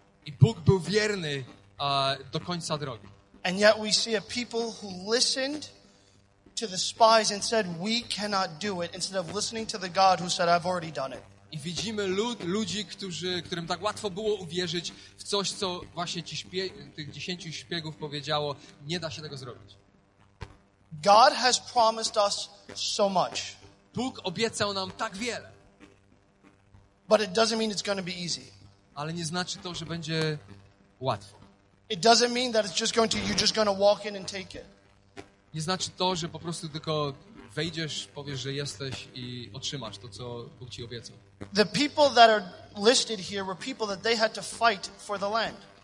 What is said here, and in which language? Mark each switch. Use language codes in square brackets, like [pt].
[pl] I Bóg był wierny do końca drogi. [en] And yet we see a people who listened to the spies and said, we cannot do it, instead of listening to the God who said, I've already done it. [pl] I widzimy ludzi, którym tak łatwo było uwierzyć w coś, co właśnie tych 10 szpiegów powiedziało, nie da się tego zrobić. [en] God has promised us so much. [pl] Bóg obiecał nam tak wiele. [en] But it doesn't mean it's going to be easy. [pl] Ale nie znaczy to, że będzie łatwo. [en] It doesn't mean that it's just going to, you're just going to walk in and take it. [pl] Nie znaczy to, że po prostu tylko wejdziesz, powiesz, że jesteś i otrzymasz to, co Bóg ci obiecał. [en] The people that are listed here were people that they had to fight for the land.